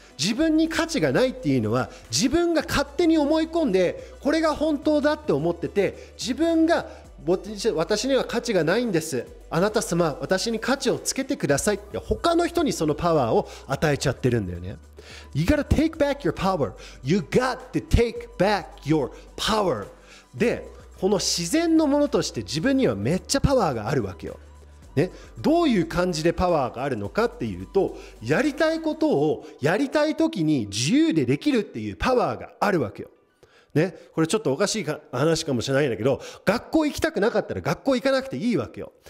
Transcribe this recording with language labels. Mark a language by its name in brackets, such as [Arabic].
[Japanese] 自分に価値がないっていうのは、自分が勝手に思い込んで、これが本当だって思ってて、自分が、私には価値がないんです。あなた様、私に価値をつけてくださいって、他の人にそのパワーを与えちゃってるんだよね。 [English] You gotta take back your power. You got to take back your power. [Japanese] で、この自然のものとして自分にはめっちゃパワーがあるわけよ。ね、どういう感じでパワーがあるのかっていうと、やりたいことをやりたい時に自由でできるっていうパワーがあるわけよ。ね、これちょっとおかしい話かもしれないんだけど、学校行きたくなかったら学校行かなくていいわけよ。